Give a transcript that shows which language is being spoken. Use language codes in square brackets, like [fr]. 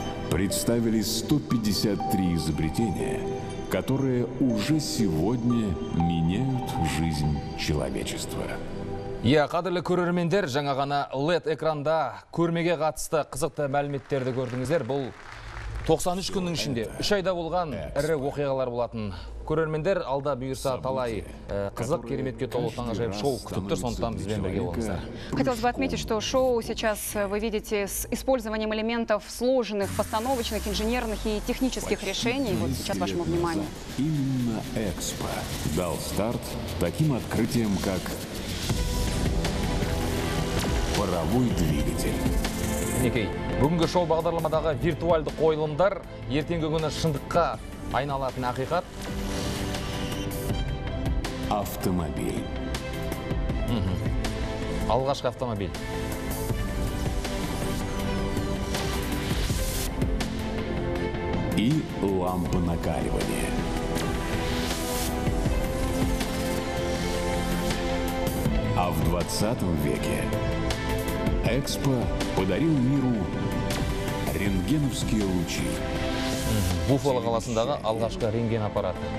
[ru] Представили 153 изобретения, которые уже сегодня меняют жизнь человечества. [kk] Я, қадырлы көрермендер, жаңа ғана LED экранда көрмеге қатысты қызықты мәліметтерді көрдіңіздер. Бұл 93 күннің ішінде 3 айда болған ірі оқиғалар болатын. Көрермендер, алда бұйырса талай қызық кереметке толы таңғажайып шоу күтіп тұр, сондықтан бізбен бірге болыңыздар. [ru] Хотелось бы отметить, что шоу сейчас вы видите с использованием элементов сложных постановочных, инженерных и технических решений. Вот сейчас вашему вниманию. Именно Экспо дал старт таким открытиям, как паровой двигатель. [kk] Некей, бүгінгі шоу бағдарламадағы виртуалды қойылымдар ертеңгі күні шындыққа айналатын ақиқат. [ru] Автомобиль. [kk] Алғашқы автомобиль. [ru] И лампа накаливания. А в 20 веке Экспо подарил миру рентгеновские лучи. [kk] Буффало қаласындағы алғашқы рентген аппараты.